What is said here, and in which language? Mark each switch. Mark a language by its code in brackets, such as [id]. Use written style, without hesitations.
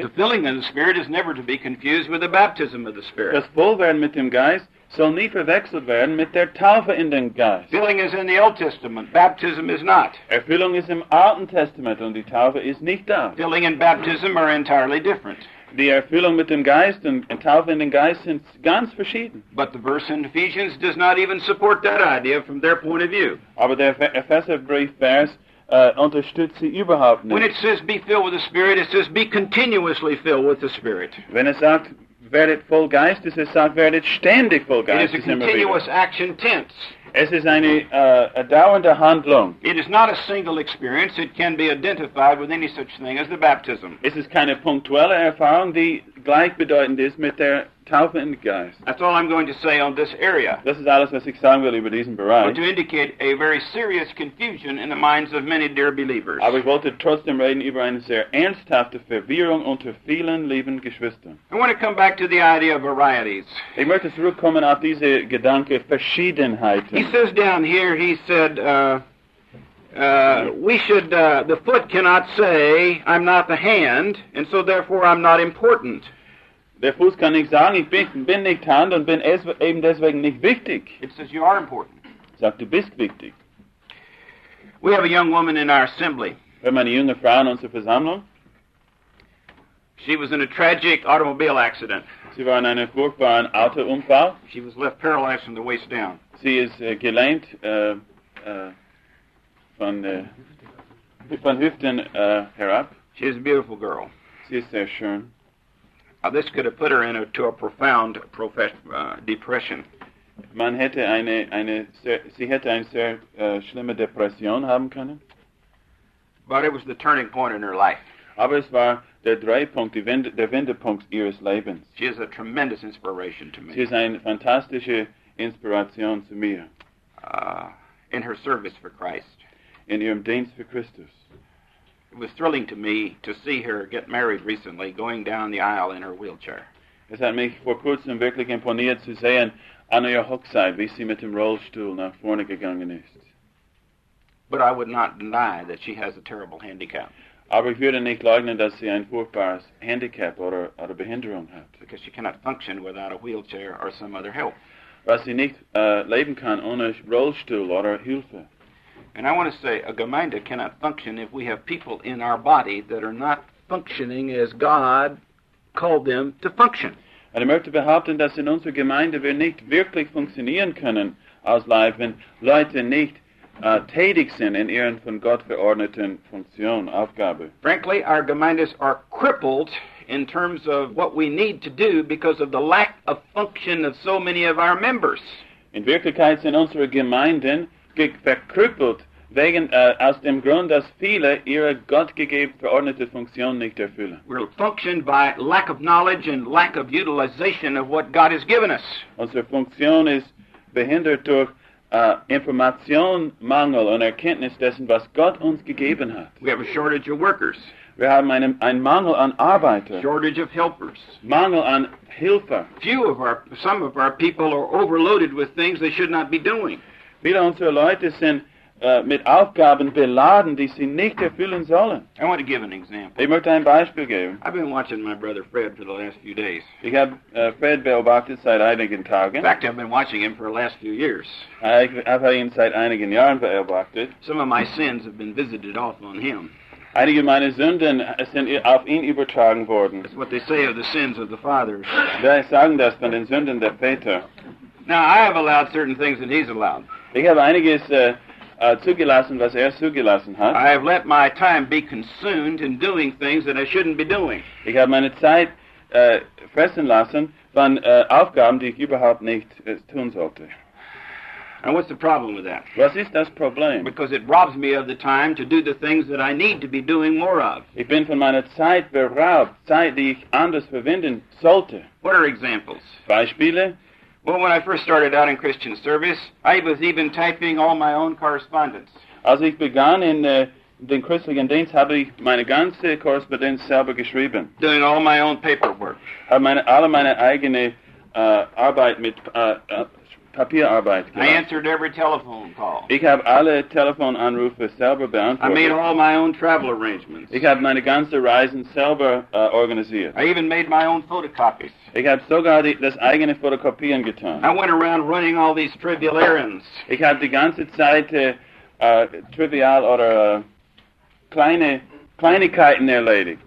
[en] But the filling of the Spirit is never to be confused with the baptism of the Spirit. [de] Das Vollwerden mit dem Geist soll nie verwechselt werden mit der Taufe in den Geist. [en] Filling is in the Old Testament. Baptism is not. [de] Erfüllung ist im Alten Testament und die Taufe ist nicht da. [en] Filling and baptism are entirely different. [de] Die Erfüllung mit dem Geist und Taufe in den Geist sind ganz verschieden. [en] But the verse in Ephesians does not even support that idea from their point of view. [de] Aber der Epheserbrief Vers unterstützt sie überhaupt nicht. [en] When it says be filled with the Spirit, it says be continuously filled with the Spirit. [de] Wenn es sagt, werdet voll Geist, es sagt, werdet ständig voll Geist. [en] It is a continuous action tense. [de] Es ist eine dauernde Handlung. [en] It is not a single experience. It can be identified with any such thing as the baptism. [de] Es ist keine punktuelle Erfahrung, die gleichbedeutend ist mit der Taufe in den Geist. [en] That's all I'm going to say on this area. [de] Das ist alles, was ich sagen will über diesen Bereich. [en] But to indicate a very serious confusion in the minds of many dear believers. [de] Aber ich wollte trotzdem reden über eine sehr ernsthafte Verwirrung unter vielen lieben Geschwistern. [en] I want to come back to the idea of varieties. [de] Ich möchte zurückkommen auf diese Gedanke Verschiedenheiten. [en] He says down here, he said, the foot cannot say, I'm not the hand, and so therefore I'm not important. [de] Der Fuß kann nicht sagen, ich bin nicht Hand und bin eben deswegen nicht wichtig. [en] It says you are important. [de] Sagt, du bist wichtig. [en] We have a young woman in our assembly. [de] Wir haben eine junge Frau in unserer Versammlung. [en] She was in a tragic automobile accident. [de] Sie war in einem furchtbaren Autounfall. [en] She was left paralyzed from the waist down. [de] Sie ist gelähmt von Hüften herab. [en] She is a beautiful girl. [de] Sie ist sehr schön. [en] Now, this could have put her into a profound depression. [de] Man hätte sie hätte eine sehr schlimme Depression haben können. [en] But it was the turning point in her life. [de] Aber es war der Drehpunkt, der Wendepunkt ihres Lebens. [en] She is a tremendous inspiration to me. [de] Sie ist eine fantastische Inspiration zu mir. [en] In her service for Christ. [de] In ihrem Dienst für Christus. [en] It was thrilling to me to see her get married recently, going down the aisle in her wheelchair. [de] Es hat mich vor kurzem wirklich imponiert zu sehen, an ihrer Hochzeit, wie sie mit dem Rollstuhl nach vorne gegangen ist. [en] But I would not deny that she has a terrible handicap. [de] Aber ich würde nicht leugnen, dass sie ein furchtbares Handicap oder Behinderung hat. [en] Because she cannot function without a wheelchair or some other help. [de] Weil sie nicht leben kann ohne Rollstuhl oder Hilfe. [en] And I want to say, a Gemeinde cannot function if we have people in our body that are not functioning as God called them to function. [de] Und ich möchte behaupten, dass in unserer Gemeinde wir nicht wirklich funktionieren können als Leib, wenn Leute nicht tätig sind in ihren von Gott verordneten Funktionen, Aufgaben. [en] Frankly, our Gemeindes are crippled in terms of what we need to do because of the lack of function of so many of our members. [de] In Wirklichkeit sind unsere Gemeinden verkrüppelt wegen aus dem Grund, dass viele ihre gottgegeben verordnete Funktion nicht erfüllen. [en] We're functioned by lack of knowledge and lack of utilization of what God has given us. [de] Unsere Funktion ist behindert durch Informationsmangel und Erkenntnis dessen, was Gott uns gegeben hat. [en] We have a shortage of workers. [de] Wir haben einen Mangel an Arbeiter. [en] Shortage of helpers. [de] Mangel an Hilfer. [en] Some of our people are overloaded with things they should not be doing. [de] Viele unserer Leute sind mit Aufgaben beladen, die sie nicht erfüllen sollen. [en] I want to give an example. [de] Ich möchte ein Beispiel geben. [en] I've been watching my brother Fred for the last few days. [de] Ich habe Fred beobachtet seit einigen Tagen. [en] In fact, I've been watching him for the last few years. [de] Ich habe ihn seit einigen Jahren beobachtet. [en] Some of my sins have been visited off on him. [de] Einige meiner Sünden sind auf ihn übertragen worden. [en] That's what they say of the sins of the fathers. [de] Sie sagen das von den Sünden der Väter. [en] Now, I have allowed certain things that he's allowed. [de] Ich habe einiges zugelassen, was zugelassen hat. [en] I have let my time be consumed in doing things that I shouldn't be doing. [de] Ich habe meine Zeit fressen lassen von Aufgaben, die ich überhaupt nicht tun sollte. [en] And what's the problem with that? [de] Was ist das Problem? [en] Because it robs me of the time to do the things that I need to be doing more of. [de] Ich bin von meiner Zeit beraubt, Zeit, die ich anders verwenden sollte. [en] What are examples? [de] Beispiele? [en] Well, when I first started out in Christian service, I was even typing all my own correspondence. [de] Als ich begann in den christlichen Dienst, habe ich meine ganze Korrespondenz selber geschrieben. [en] Doing all my own paperwork. [de] Habe alle meine eigene Arbeit mit Papierarbeit gemacht. [en] I answered every telephone call. [de] Ich habe alle Telefonanrufe selber beantwortet. [en] I made all my own travel arrangements. [de] Ich habe meine ganze Reisen selber organisiert. [en] I even made my own photocopies. [de] Ich habe sogar das eigene Fotokopien getan. [en] I went around running all these trivial errands. [de] Ich habe die ganze Zeit trivial oder Kleinigkeiten erledigt.